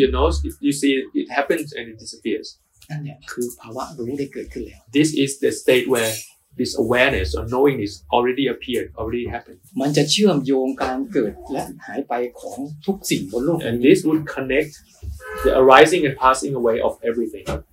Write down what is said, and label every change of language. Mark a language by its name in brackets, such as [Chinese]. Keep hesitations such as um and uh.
[English] your nose it, you see it, happens and it disappears mm -hmm. this is the state where this awareness or knowing is already appeared already happened [Thai] มันจะเชื่อมโยงการเกิดและหายไปของทุกสิ่งบนโลก [English] mm -hmm. and this would connect the arising and passing away of everything